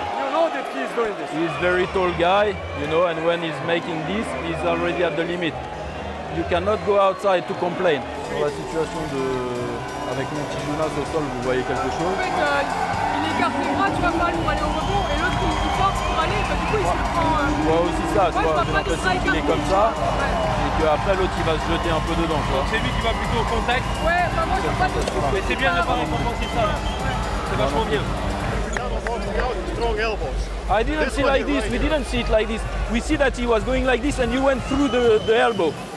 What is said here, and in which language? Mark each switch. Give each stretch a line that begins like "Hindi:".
English: He's a very tall guy, you know, and when he's making this, he's already at the limit. You cannot go outside to complain.
French: Sur la situation de... avec Montijunas au sol, vous voyez quelque chose? En fait, il écarte les bras, tu vois, pas pour aller au rebond, et l'autre, il force pour aller, bah, du coup, il se le prend... Tu vois aussi ça, tu vois, j'ai l'impression qu'il est comme ça, et qu'après, l'autre, il va se jeter un peu dedans, tu vois. C'est lui qui va plutôt au contact. Ouais, bah moi, je ne sais pas tout. Mais c'est bien d'avoir récompensé ça, là. C'est vachement bien.
English: strong elbows. I didn't see like this. We didn't see it like this. We see that he was going like this, and you went through the elbow.